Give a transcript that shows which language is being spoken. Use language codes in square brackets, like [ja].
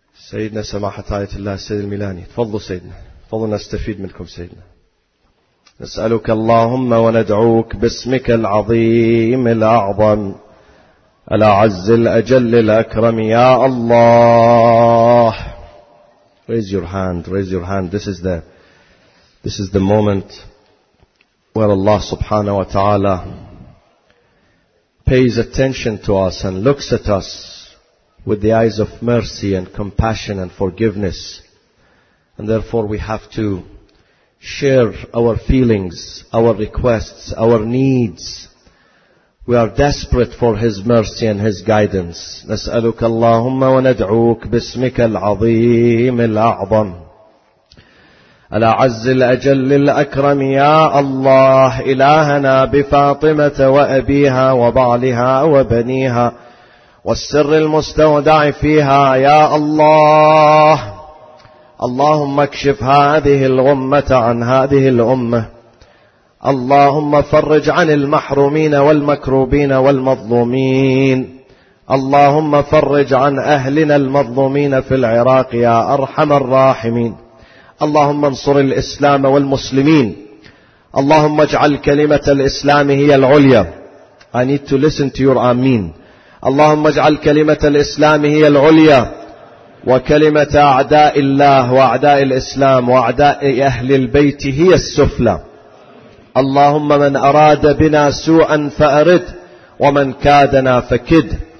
[ar] سيدنا سماحة آية الله السيد الميلاني, تفضلوا سيدنا, تفضلوا نستفيد منكم سيدنا. نسألك اللهم وندعوك باسمك العظيم الأعظم الأعز الأجل الأكرم يا الله. [en] Raise your hand, raise your hand. This is the moment where Allah subhanahu wa ta'ala pays attention to us and looks at us with the eyes of mercy and compassion and forgiveness. And therefore we have to share our feelings, our requests, our needs. We are desperate for His mercy and His guidance. [ar] نسألك اللهم وندعوك باسمك العظيم الأعظم الأعز الأجل الأكرم يا الله إلهنا بفاطمة وأبيها وبعلها وبنيها والسر المستودع فيها يا الله. اللهم اكشف هذه الغمة عن هذه الأمة. اللهم فرج عن المحرومين والمكروبين والمظلومين. اللهم فرج عن أهلنا المظلومين في العراق يا أرحم الراحمين. اللهم انصر الإسلام والمسلمين. اللهم اجعل كلمة الإسلام هي العليا. [en] I need to listen to your آمين. [ar] اللهم اجعل كلمة الإسلام هي العليا وكلمة أعداء الله وأعداء الإسلام وأعداء أهل البيت هي السفلى. اللهم من أراد بنا سوءا فأرد ومن كادنا فكد.